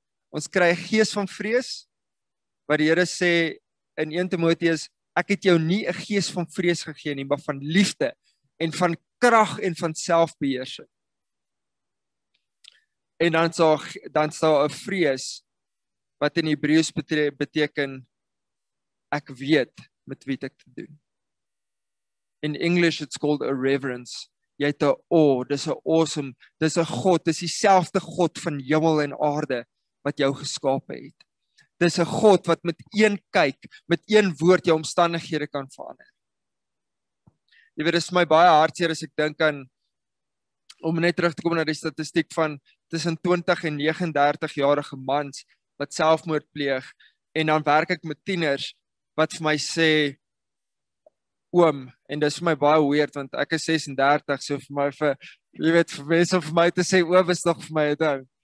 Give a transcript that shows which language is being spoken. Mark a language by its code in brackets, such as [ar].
[af] Ons kry 'n gees van vrees, wat die Here sê in 1 Timoteus, ek het jou nie 'n gees van vrees gegee nie, maar van liefde en van krag en van selfbeheersing. En dan sal 'n vrees, wat in Hebreeus beteken, ek weet met wie ek te doen. [en] In English it's called a reverence. [af] Jy het een awe, dis een awesome, dis een God, dis dieselfde God van hemel en aarde wat jou geskape het. Dis een God wat met een kyk, met een woord jou omstandighede kan verander. Jy weet, dis my baie hartseer as ek dink aan, om net terug te kom na die statistiek van tussen 20 en 39 jarige mans wat selfmoord pleeg, en dan werk ek met tieners wat vir my sê, oom, en dis vir my baie weird, want ek is 36, so vir my, vir mense om vir my te sê, oom is nog vir my het ou.